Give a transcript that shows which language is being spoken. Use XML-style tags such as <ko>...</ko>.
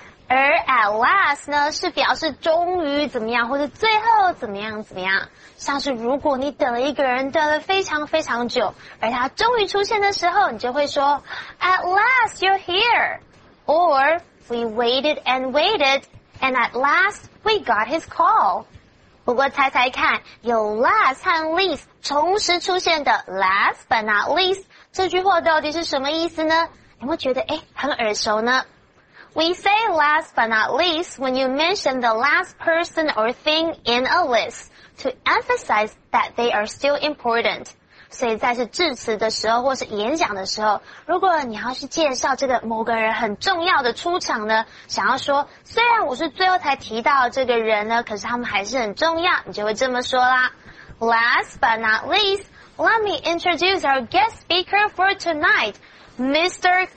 <zh>而 at last 呢是表示终于怎么样或是最后怎么样怎么样，像是如果你等了一个人等了非常非常久而他终于出现的时候，你就会说 at last you're here， or we waited and waitedAnd at last, we got his call. 不过猜猜看，有 last 和 least 同时出现的 last but not least 这句话到底是什么意思呢？有没有觉得诶很耳熟呢？</zh> <en>We say last but not least when you mention the last person or thing in a list to emphasize that they are still important.</en> <zh>所以在是致辞的时候或是演讲的时候，如果你要去介绍这个某个人很重要的出场呢，想要说虽然我是最后才提到这个人呢，可是他们还是很重要，你就会这么说啦。</zh> <en>Last but not least, let me introduce our guest speaker for tonight, Mr.</en>